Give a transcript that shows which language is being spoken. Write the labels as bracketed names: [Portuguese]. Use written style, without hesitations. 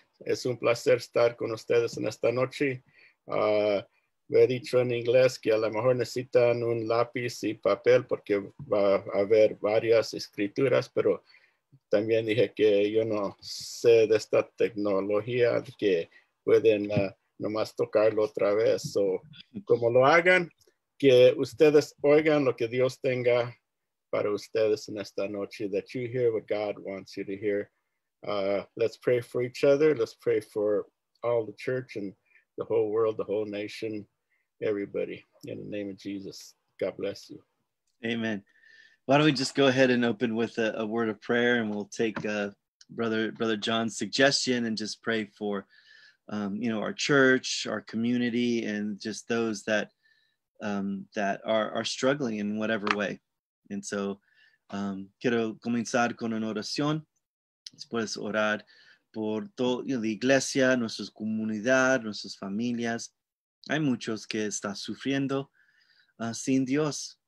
[Spanish] Es un placer estar con ustedes en esta noche. Me he dicho en inglés que a lo mejor necesitan un lápiz y papel porque va a haber varias escrituras, pero también dije que yo no sé de esta tecnología que pueden nomás tocarlo otra vez. So, como lo hagan, que ustedes oigan lo que Dios tenga para ustedes en esta noche. [English] That you hear what God wants you to hear. Let's pray for each other. Let's pray for all the church and the whole world, the whole nation. Everybody, in the name of Jesus, God bless you. Amen. Why don't we just go ahead and open with a word of prayer, and we'll take Brother John's suggestion and just pray for our church, our community, and just those that that are struggling in whatever way. And so [Spanish] quiero comenzar con una oración. Después orar por todo la iglesia, nuestras comunidades, nuestras familias. Hay muchos que están sufriendo sin Dios.